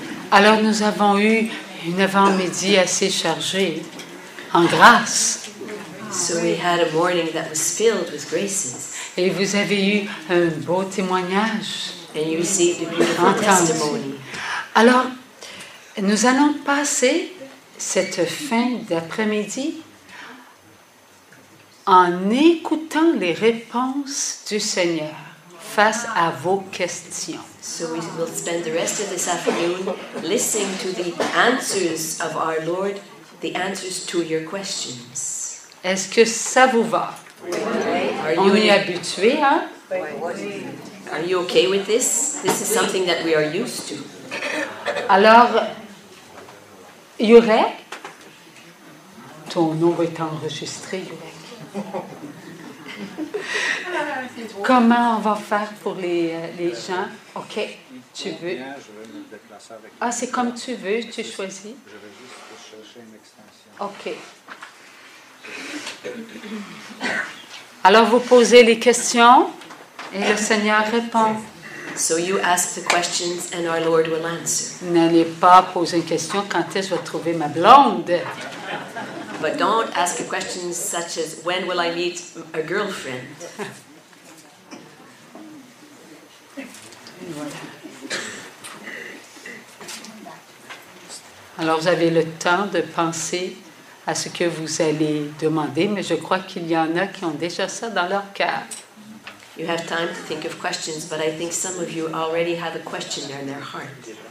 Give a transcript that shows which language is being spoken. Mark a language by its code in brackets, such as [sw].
[fr] Alors nous avons eu une avant-midi assez chargée en grâce. [en] So we had a morning that was filled with graces. [fr] Et vous avez eu un beau témoignage. [en] And you received a beautiful testimony. [fr] Alors, nous allons passer cette fin d'après-midi en écoutant les réponses du Seigneur face à vos questions. [en] So we will spend the rest of this afternoon listening to the answers of our Lord, the answers to your questions. [fr] Est-ce que ça vous va? Oui. On est habitué, hein? Oui. [en] Are you okay with this? This is something that we are used to. [fr] Alors, Yurek, ton nom est enregistré, Yurek. Comment on va faire pour les gens? OK, tu veux? Ah, c'est comme tu veux, tu choisis. Je vais juste chercher une extension. OK. Alors, vous posez les questions et le Seigneur répond. [en] So you ask the questions and our Lord will answer. [fr] N'allez pas poser une question quand est-ce que je vais trouver ma blonde. [en] But don't ask a question such as when will I meet a girlfriend. [fr] Alors vous avez le temps de penser à ce que vous allez demander, mais je crois qu'il y en a qui ont déjà ça dans leur cœur. [en] You have time to think of questions, but I think some of you already have a question there in their heart.